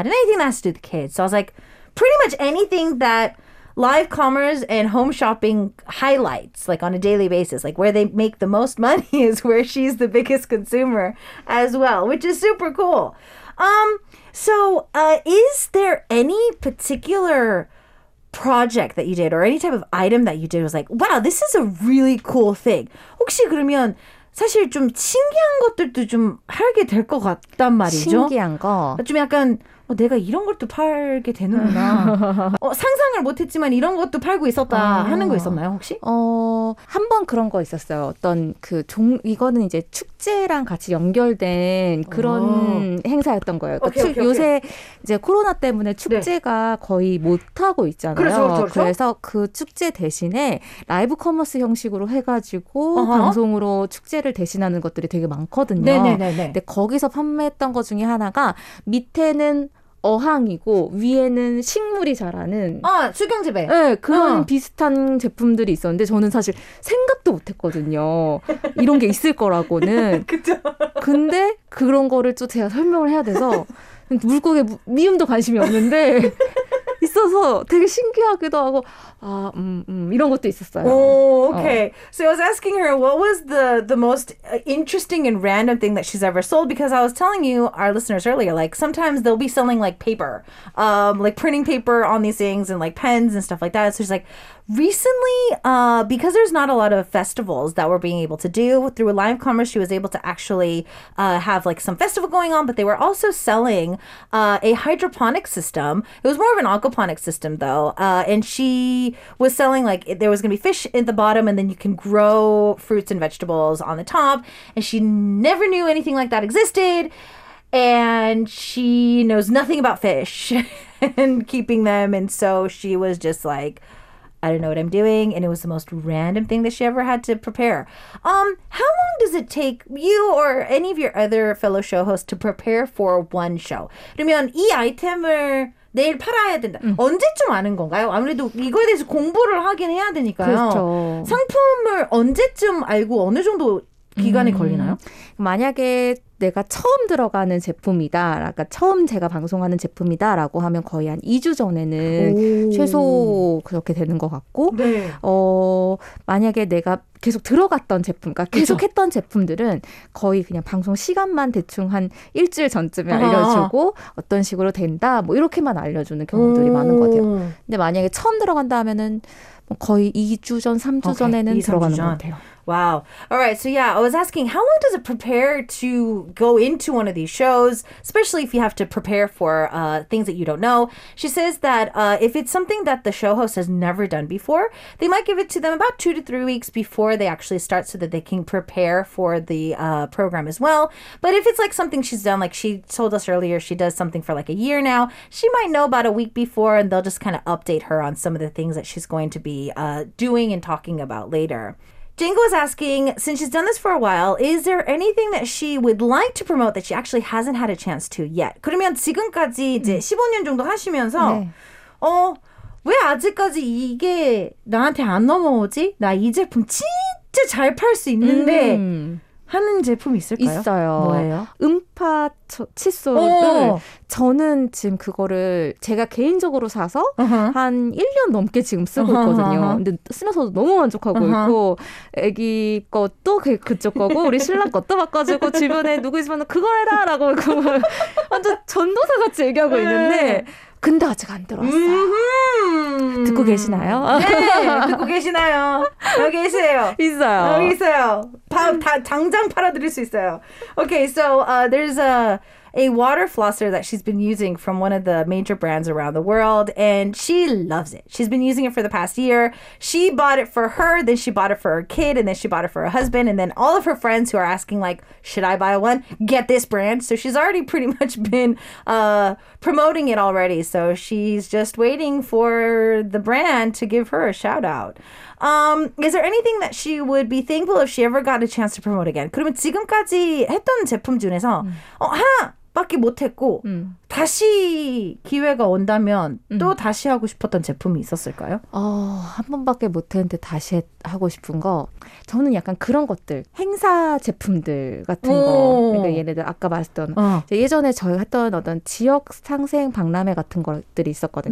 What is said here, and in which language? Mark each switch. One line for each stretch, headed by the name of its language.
English: And anything that has to do with the kids. So I was like, pretty much anything that live commerce and home shopping highlights, like on a daily basis, like where they make the most money is where she's the biggest consumer as well, which is super cool. Is there any particular project that you did or any type of item that you did was like, wow, this is a really cool thing.
Korean: 혹시 그러면 사실 좀 신기한 것들도 좀 하게 될 것 같단 말이죠. 신기한 거. 좀 약간 내가 이런 것도 팔게 되는구나. 상상을 못했지만 이런 것도 팔고 있었다 하는 거 있었나요 혹시? 한 번 그런 거 있었어요. 어떤 그 이거는 이제 축제랑 같이 연결된 그런 행사였던 거예요. 오케이. 요새 이제 코로나 때문에 축제가 네. 거의 못 하고 있잖아요. 그래서 그 축제 대신에 라이브 커머스 형식으로 해가지고 방송으로 축제를 대신하는 것들이 되게 많거든요. 네네네네. 근데 거기서 판매했던 것 중에 하나가 밑에는 어항이고 위에는 식물이 자라는 수경재배 그런 비슷한 제품들이 있었는데 저는 사실 생각도 못했거든요. 이런 게 있을 거라고는. 그쵸? 근데 그런 거를 또 제가 설명을 해야 돼서 물고기에 미음도 관심이 없는데 있어서 되게 신기하기도 하고 이런 것도 있었어요.
English: So I was asking her what was the most interesting and random thing that she's ever sold because I was telling you our listeners earlier like sometimes they'll be selling like paper like printing paper on these things and like pens and stuff like that. So she's like Recently, because there's not a lot of festivals that we're being able to do, through Live Commerce, she was able to actually have like some festival going on, but they were also selling a hydroponic system. It was more of an aquaponic system, though. And she was selling, like, there was going to be fish at the bottom, and then you can grow fruits and vegetables on the top. And she never knew anything like that existed. And she knows nothing about fish and keeping them. And so she was just like, I don't know what I'm doing. And it was the most random thing that she ever had to prepare. How long does it take you or any of your other fellow show hosts to prepare for one show?
Korean: 그러면 이 아이템을 내일 팔아야 된다. 언제쯤 아는 건가요? 아무래도 이거에 대해서 공부를 하긴 해야 되니까요. 그렇죠. 상품을 언제쯤 알고 어느 정도 기간이 걸리나요? 만약에 내가 처음 들어가는 제품이다, 그러니까 처음 제가 방송하는 제품이다라고 하면 거의 한 2주 전에는 최소 그렇게 되는 것 같고, 네. 만약에 내가 계속 들어갔던 제품, 그러니까 계속 그렇죠. 했던 제품들은 거의 그냥 방송 시간만 대충 한 일주일 전쯤에 알려주고 어떤 식으로 된다, 뭐 이렇게만 알려주는 경우들이 많은 것 같아요. 근데 만약에 처음 들어간다 하면은 거의 2주 전, 3주
English: okay.
Korean: 전에는 들어가는 것 같아요.
English: Wow. All right. So yeah, I was asking, how long does it prepare to go into one of these shows, especially if you have to prepare for things that you don't know? She says that if it's something that the show host has never done before, they might give it to them about 2 to 3 weeks before they actually start so that they can prepare for the program as well. But if it's like something she's done, like she told us earlier, she does something for like a year now, she might know about a week before and they'll just kind of update her on some of the things that she's going to be doing and talking about later. Jingo is asking, since she's done this for a while, is there anything that she would like to promote that she actually hasn't had a chance to yet?
Korean: 그러면 지금까지 이제 15년 정도 하시면서 왜 아직까지 이게 나한테 안 넘어오지? 나 이 제품 진짜 잘 팔 수 있는데 하는 제품이 있을까요? 있어요. 뭐예요? 음파 칫솔을 저는 지금 그거를 제가 개인적으로 사서 한 1년 넘게 지금 쓰고 있거든요. 근데 쓰면서도 너무 만족하고 있고 애기 것도 그쪽 거고 우리 신랑 것도 바꿔주고 주변에 누구 있으면 그거 해라 라고 완전 전도사같이 얘기하고 있는데 근데 아직 안 들어왔어요. 듣고 계시나요? 네, 듣고 계시나요? 여기 있어요. 있어요. 여기 있어요. 당장 팔아드릴 수 있어요.
English: Okay, so there's a water flosser that she's been using from one of the major brands around the world, and she loves it. She's been using it for the past year. She bought it for her, then she bought it for her kid, and then she bought it for her husband, and then all of her friends who are asking, like, should I buy one? Get this brand. So she's already pretty much been promoting it already. So she's just waiting for the brand to give her a shout out. Is there anything that she would be thankful if she ever got a chance to promote again?
Korean: 그러면 지금까지 했던 제품 중에서 하나밖에 못했고 다시 기회가 온다면 또 다시 하고 싶었던 제품이 있었을까요? 한 번밖에 못했는데 다시 하고 싶은 거 저는 약간 그런 것들 행사 제품들 같은 거 그러니까 얘네들 아까 말했던 예전에 저희가 했던 어떤 지역 상생 박람회 같은 것들이 있었거든요.